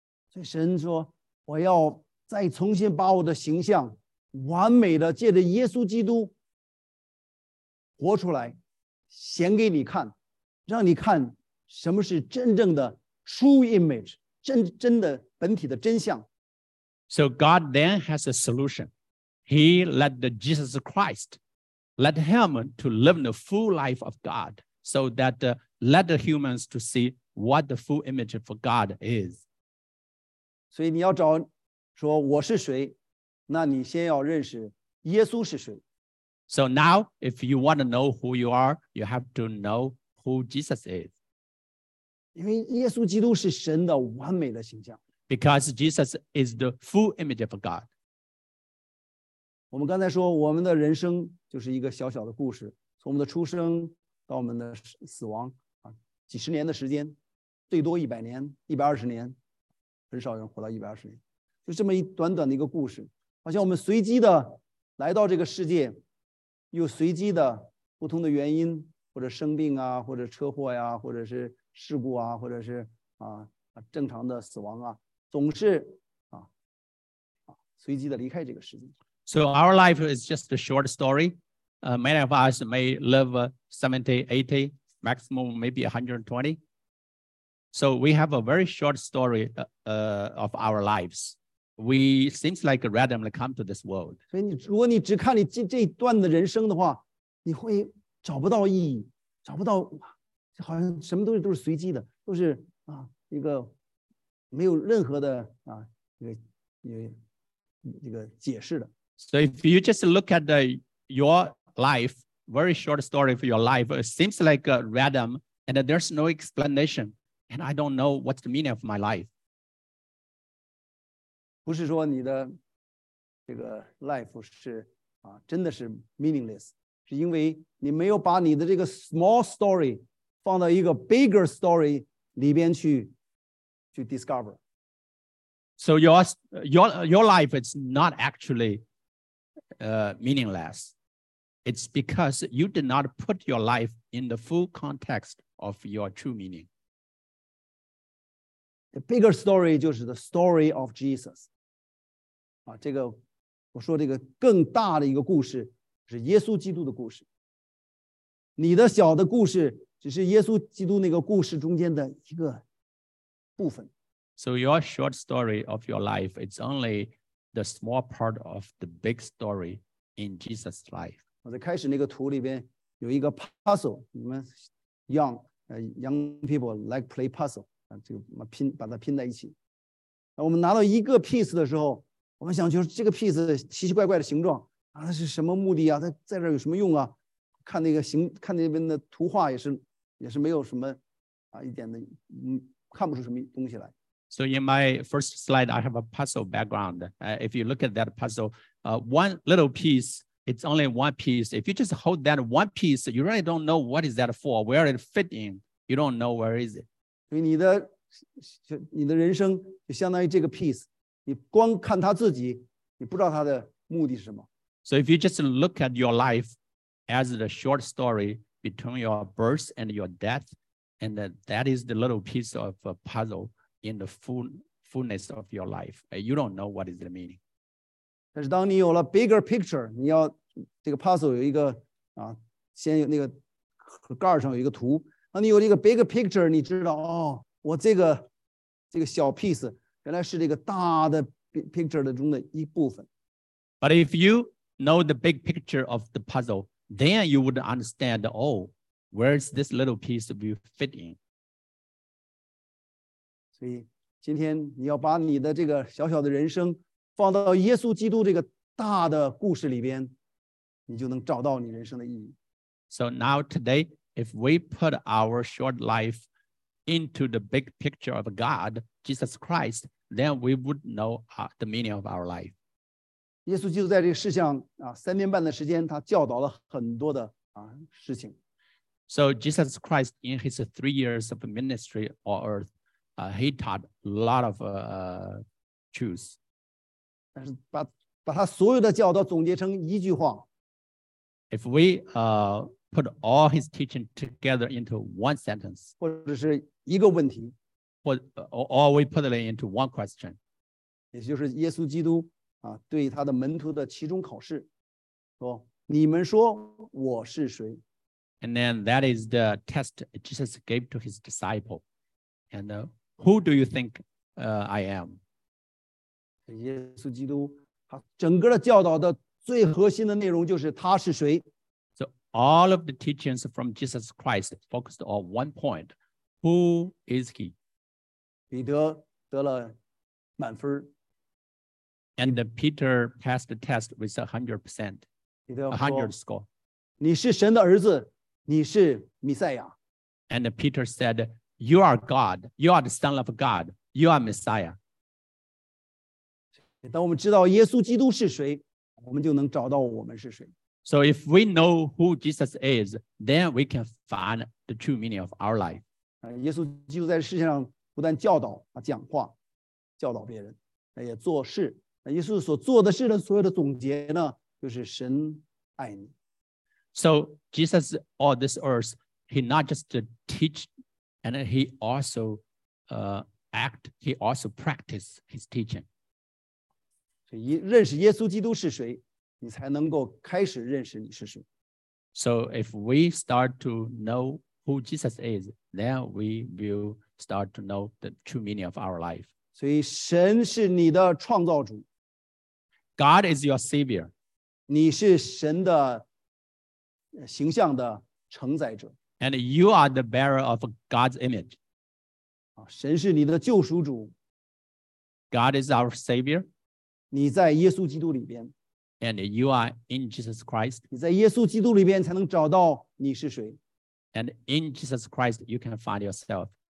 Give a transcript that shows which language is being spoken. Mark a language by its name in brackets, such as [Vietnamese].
[Chinese] 所以神说，我要再重新把我的形象完美的借着耶稣基督活出来，显给你看，让你看什么是真正的 [English] true image, [Chinese] 真的本体的真相。 [English] So God then has a solution. He let the Jesus Christ, let him to live the full life of God, so that、let the humans to seewhat the full image of God is. [Chinese] 所以你要找说我是谁，那你先要认识耶稣是谁。 [English] So now, if you want to know who you are, you have to know who Jesus is. [Chinese] 因为耶稣基督是神的完美的形象。 [English] Because Jesus is the full image of God. [Chinese] 我们刚才说我们的人生就是一个小小的故事，从我们的出生到我们的死亡几十年的时间，最多一百年、一百二十年，很少人活到一百二十年，就这么一短短的一个故事，好像我们随机的来到这个世界，又随机的不同的原因，或者生病啊，或者车祸呀、啊，或者是事故啊，或者是啊正常的死亡啊，总是啊随机的离开这个世界。 [English] So our life is just a short story. Many of us may live 70, 80. Maximum maybe 120. So we have a very short story of our lives. We seems like randomly come to this world. [Chinese] 所以你如果你只看你这一段的人生的话，你会找不到意义，找不到，好像什么东西都是随机的，都是啊一个没有任何的啊一个解释的。 [English] So if you just look at your life. Very short story for your life. It seems like a random, and there's no explanation, and I don't know what's the meaning of my life. [Chinese] 不是说你的这个 life 是啊，真的是 meaningless， 是因为你没有把你的这个 [English] small story [Chinese] 放到一个 [English] bigger story [Chinese] 里边去 discover。 [English] So your life is not actually meaningless. It's because you did not put your life in the full context of your true meaning. The bigger story [Chinese] 就是 [English] the story of Jesus. [Chinese] 啊，这个我说这个更大的一个故事是耶稣基督的故事。你的小的故事只是耶稣基督那个故事中间的一个部分。 [English] So your short story of your life is only the small part of the big story in Jesus' life. [Chinese] 我在开始那个图里边有一个 puzzle， 你们 [English] young people like play puzzle， [Chinese] 就拼把它拼在一起。我们拿到一个 piece 的时候，我们想就是这个 piece 奇奇怪怪的形状啊，它是什么目的啊？它在这儿有什么用啊？看那个形，看那边的图画也是没有什么啊一点的，看不出什么东西来。 [English] So in my first slide, I have a puzzle background. If you look at that puzzle, one little piece, it's only one piece. If you just hold that one piece, you really don't know what is that for, where it fit in. You don't know where is it. [Chinese] 所以你的人生就相当于这个 piece， 你光看他自己，你不知道他的目的是什么。 [English] So if you just look at your life as the short story between your birth and your death, and that is the little piece of a puzzle,in the fullness of your life. You don't know what is the meaning. [Chinese] 但是当你有了 [English] bigger picture, [Chinese] 你要这个 puzzle 有一个啊，先有那个盖上有一个图，那你有一个 bigger picture, 你知道哦，我这个小 piece 原来是这个大的 picture 的中的一部分。 [English] But if you know the big picture of the puzzle, then you would understand, oh, where's this little piece of you fit in? [Chinese] 所以今天你要把你的这个小小的人生放到耶稣基督这个大的故事里边，你就能找到你人生的意义。 [English] So now today, if we put our short life into the big picture of God, Jesus Christ, then we would know the meaning of our life. [Chinese] 耶稣基督在这个世上啊，三年半的时间，他教导了很多的啊事情。 [English] So Jesus Christ in his 3 years of ministry on earth. He taught a lot of truths. [Chinese] 但是把他所有的教导总结成一句话。 [English] If we put all his teaching together into one sentence, [Chinese] 或者是一个问题， [English] or we put it into one question, [Chinese] 也就是耶稣基督啊对他的门徒的期中考试，说你们说我是谁？ [English] And then that is the test Jesus gave to his disciple, and. Who do you think I am? [Chinese] 耶稣基督他整个的教导的最核心的内容就是他是谁。 [English] So all of the teachings from Jesus Christ focused on one point. Who is he? [Chinese] 彼得得了满分。 [English] And Peter passed the test with 100%. [Chinese] 彼得说 [English] 100 score. [Chinese] 你是神的儿子，你是弥赛亚。 [English] And Peter said,You are God. You are the Son of God. You are Messiah. [Chinese] 当我们知道耶稣基督是谁，我们就能找到我们是谁。 [English] So if we know who Jesus is, then we can find the true meaning of our life. [Chinese] 耶稣基督在世界上不但教导、讲话、教导别人，也做事。耶稣所做的事的所有的总结呢，就是神爱你。 [English] So Jesus on this earth, he not just teachAnd he also practiced his teaching. [Chinese] 所以认识耶稣基督是谁，你才能够开始认识你是谁。 [English] So if we start to know who Jesus is, then we will start to know the true meaning of our life. [Chinese] 所以神是你的创造主。 [English] God is your savior. [Chinese] 你是神的形象的承载者。 [English] And you are the bearer of God's image. [Chinese] 神是你的救赎主。 [English] God is our Savior. [Chinese] 你在耶稣基督里边。 [English] And you are in Jesus Christ. [Chinese] 你在耶稣基督里边才能找到你是谁。 [English] And in Jesus Christ, you can find yourself.